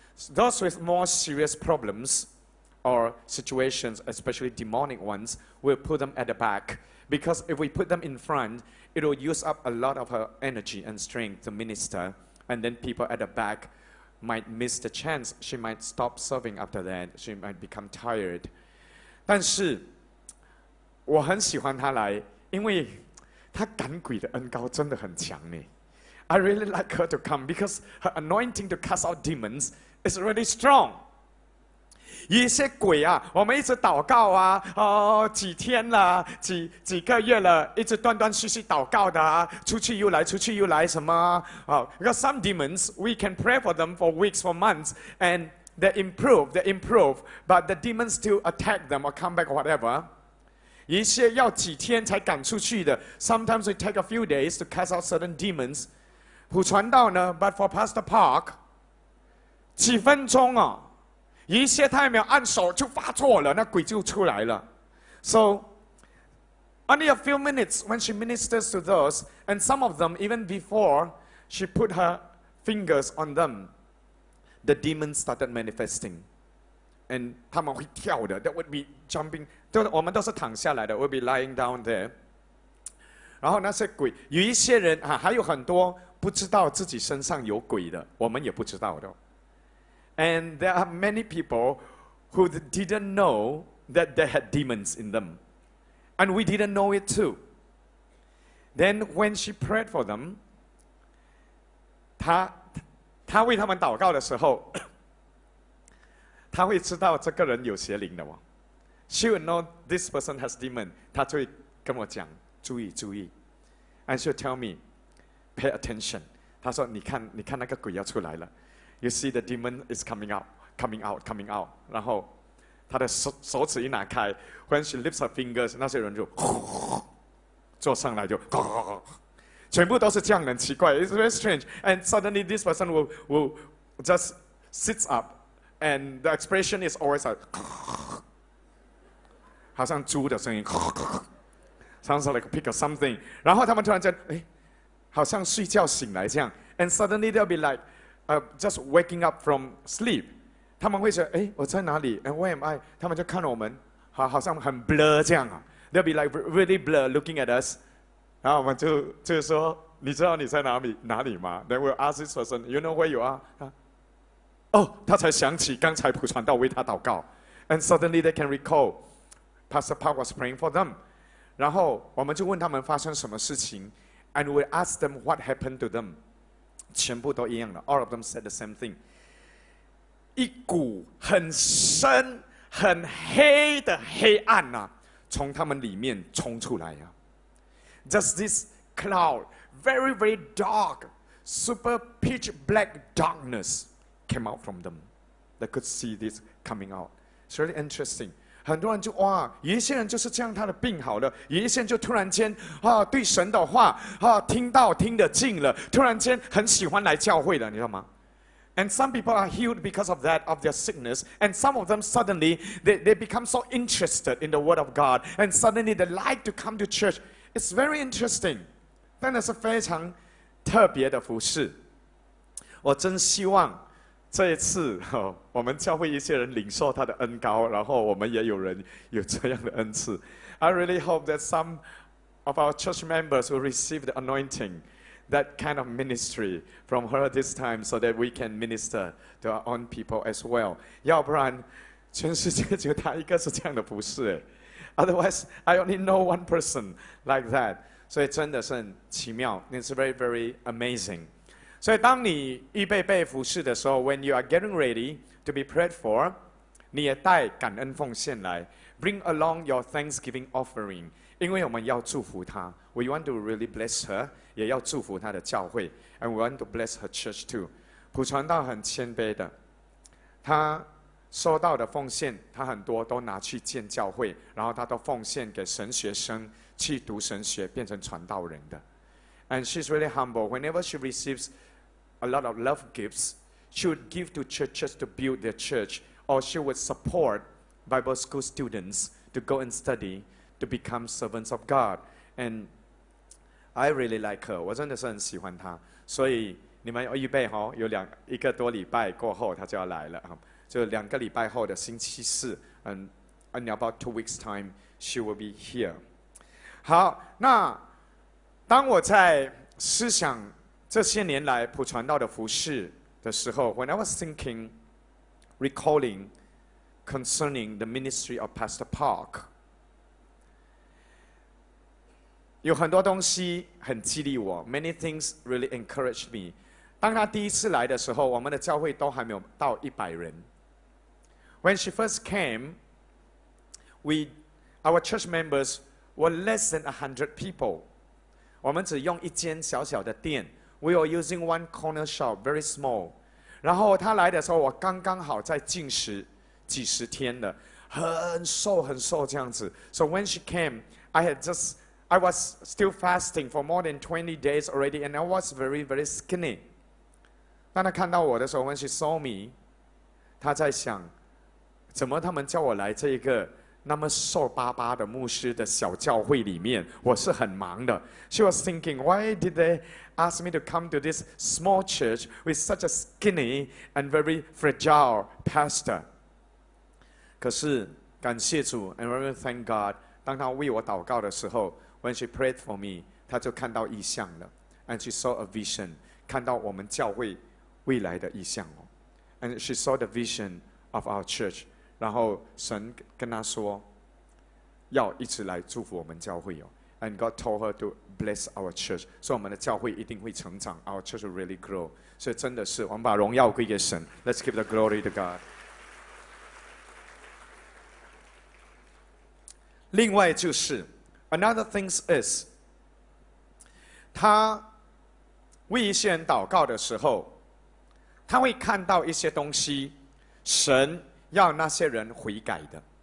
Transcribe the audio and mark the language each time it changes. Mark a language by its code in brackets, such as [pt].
[en] Those with more serious problems or situations, especially demonic ones, we'll put them at the back. Because if we put them in front, it will use up a lot of her energy and strength to minister. And then people at the back might miss the chance. She might stop serving after that. She might become tired. [zh] 但是我很喜欢她来，因为她赶鬼的恩膏真的很强耶。 [en] I really like her to come because her anointing to cast out demons is really strong. [zh] 有些鬼啊，我们一直祷告啊，哦，几天了，几个月了，一直断断续续祷告的啊，出去又来，出去又来，什么？哦 [en] ，because some demons we can pray for them for weeks, for months, and they improve, but the demons still attack them or come back or whatever. [zh] 一些要几天才赶出去的 [en] ，sometimes we take a few days to cast out certain demons. [zh] 普传道呢 ， [en] but for Pastor Park, [zh] 几分钟啊，一些他还没有按手就发作了，那鬼就出来了。 [en] So only a few minutes when she ministers to those, and some of them even before she put her fingers on them. The demons started manifesting. And [zh] 他们会跳的 [en] that would be jumping. [zh] 我们都是躺下来的 [en] we'll be lying down there. [zh] 然后那些鬼有一些人、啊、还有很多不知道自己身上有鬼的我们也不知道的。 [en] And there are many people who didn't know that they had demons in them. And we didn't know it too. Then when she prayed for them, [zh] 他为他们祷告的时候，他会知道这个人有邪灵的哦。 [en] She would know this person has demon. [zh] 他就会跟我讲，注意注意。 [en] And she would tell me, pay attention. [zh] 他说，你看那个鬼要出来了。 [en] You see the demon is coming out, coming out, coming out. [zh] 然后他的手指一拿开 ， [en] when she lifts her fingers, [zh] 那些人就坐上来就。全部都是这样很奇怪 [en] It's very strange. And suddenly this person will just sits up. And the expression is always like [zh] 好像猪的声音 [en] Sounds like a pig or something. [zh] 然后他们突然间、哎、好像睡觉醒来这样 [en] And suddenly they'll be like just waking up from sleep. [zh] 他们会说、哎、我在哪里 [en] And where am I? [zh] 他们就看我们 好像很 blur 这样 [en] They'll be like really blur looking at us. [zh] 然后我们就说，你知道你在哪里吗 [en] ？Then we'll ask this person, you know where you are? [zh] 他才想起刚才普传道为他祷告 [en] ，and suddenly they can recall Pastor Park was praying for them. [zh] 然后我们就问他们发生什么事情 [en] ，and we ask them what happened to them. [zh] 全部都一样了 [en] ，all of them said the same thing. [zh] 一股很深、很黑的黑暗呐、啊，从他们里面冲出来呀、啊。 [en] Just this cloud, very, very dark, super pitch black darkness came out from them. They could see this coming out. It's really interesting. [zh] 很多人就哇，有一些人就是这样，他的病好了；有一些人就突然间啊，对神的话啊，听得进了，突然间很喜欢来教会了，你知道吗？ [en] And some people are healed because of that, of their sickness. And some of them suddenly they become so interested in the word of God, and suddenly they like to come to church. It's very interesting. [zh] 真的是非常特别的服事。我真希望这一次、哦、我们教会一些人领受他的恩膏，然后我们也有人有这样的恩赐。 [en] I really hope that some of our church members will receive the anointing, that kind of ministry from her this time, so that we can minister to our own people as well. [zh] 要不然，全世界就他一个是这样的服事哎。 [en] Otherwise, I only know one person like that. So it's [zh] 真的是很奇妙 [en] It's very, very amazing. So [zh] 当你预备被服侍的时候 [en] when you are getting ready to be prayed for, [zh] 你也带感恩奉献来 [en] bring along your thanksgiving offering. [zh] 因为我们要祝福她 [en] we want to really bless her, [zh] 也要祝福她的教会 [en] and we want to bless her church too. [zh] 普传道很谦卑的，他。收到的奉献他很多都拿去建教会然后他都奉献给神学生去读神学变成传道人的 [en] And she's really humble Whenever she receives a lot of love gifts She would give to churches to build their church Or she would support Bible school students To go and study To become servants of God And I really like her [zh] 我真的是很喜欢她所以你们要预备哦，有两一个多礼拜过后他就要来了，就两个礼拜后的星期四 [en] and about 2 weeks time she will be here。 [zh] 好，那当我在思想这些年来普传道的服事的时候， [en] When I was thinking recalling concerning the ministry of Pastor Park， [zh] 有很多东西很激励我， [en] Many things really encouraged me。 [zh] 当他第一次来的时候，我们的教会都还没有到100人。 [en] When she first came， our church members were less than 100 people。 [zh] 我们只用一间小小的店， [en] We were using one corner shop, very small。 [zh] 然后他来的时候，我刚刚好在进食几十天了，很瘦很瘦这样子。 [en] So when she came, I was still fasting for more than 20 days already, and I was very, very skinny. [zh] 当他看到我的时候 ， [en] when she saw me, [zh] 他在想，怎么他们叫我来这一个那么瘦巴巴的牧师的小教会里面？我是很忙的。 [en] She was thinking, why did they? Asked me to come to this small church with such a skinny and very fragile pastor. [zh] 可是感谢主 [en] and very thank God. [zh] 当他为我祷告的时候 ， [en] when she prayed for me， [zh] 他就看到异象了 ， [en] and she saw a vision， [zh] 看到我们教会未来的异象哦 ， [en] and she saw the vision of our church. [zh] 然后神跟他说，要一直来祝福我们教会哦。 [en] And God told her to bless our church. So our church will really grow. So it's really, we give glory to God. Let's give the glory to God. [zh] 另外就是 [en] another thing is, [zh] 他为一些人祷告的时候，他会看到一些东西，神要那些人悔改的。